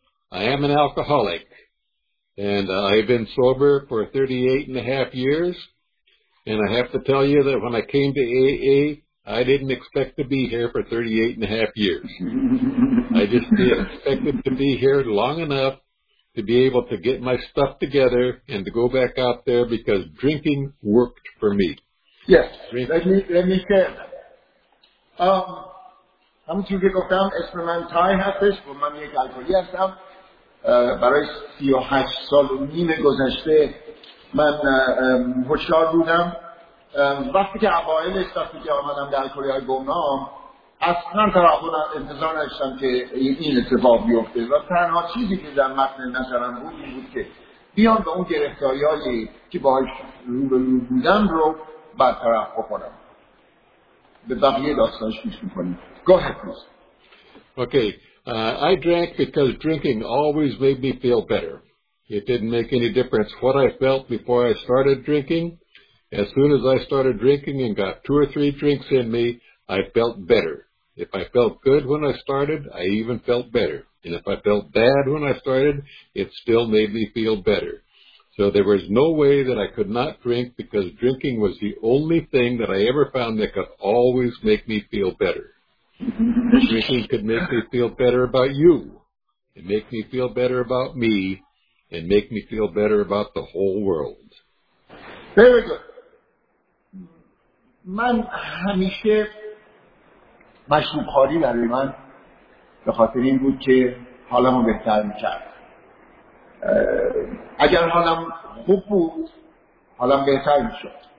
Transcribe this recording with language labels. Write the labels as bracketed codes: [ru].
[en] I am an alcoholic, and I've been sober for 38 and a half years, and I have to tell you that when I came to AA, I didn't expect to be here for 38 and a half years. I just expected to be here long enough to be able to get my stuff together and to go back out there because drinking worked for me. Yes, let me share that. [fa] همونتون که گفتم اسم من تای هستش و من یک الکلی هستم. برای 38 سال و نیم گذشته من هوشیار بودم. وقتی که اوائل استفاده که آمدم در کوریا گمنام اصلا تراخون انتظار نشتم که این اتفاق بیفته و تنها چیزی که در متن نظرم بود این بود که بیان به اون گرفتاری هایی که باش روبرو بودم رو برطرف بکنم. به بقیه داستانش پیش میکنیم. [en] Go ahead please. Okay. I drank because drinking always made me feel better. It didn't make any difference what I felt before I started drinking. As soon as I started drinking and got 2 or 3 drinks in me, I felt better. If I felt good when I started, I even felt better. And if I felt bad when I started, it still made me feel better. So there was no way that I could not drink because drinking was the only thing that I ever found that could always make me feel better. Drinking could make me feel better about you, and make me feel better about me, and make me feel better about the whole world. Very good. [fa] من همیشه مشروب‌خوری برای من به خاطر این بود که حالمو بهتر می‌کرد. اگر حالم خوب بود، حالم بهتر می‌شد.